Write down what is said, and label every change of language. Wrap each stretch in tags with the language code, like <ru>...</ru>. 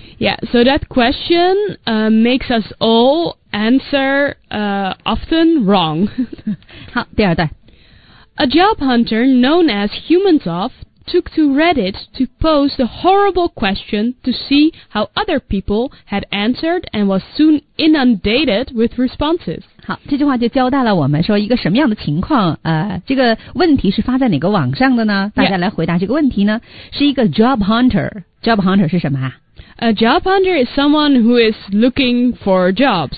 <en>Yeah, so that question makes us all answer often wrong.</en> <zh>好，第二段。</zh> <en>A job hunter known as Humansoft took to Reddit to pose the horrible question to see how other people had answered and was soon inundated with responses.</en> <zh>好，这句话就交代了我们说一个什么样的情况，这个问题是发在哪个网上的呢？大家来回答这个问题呢，是一个 job hunter。Job hunter 是什么啊？</zh> <en>A job hunter is someone who is looking for jobs.</en>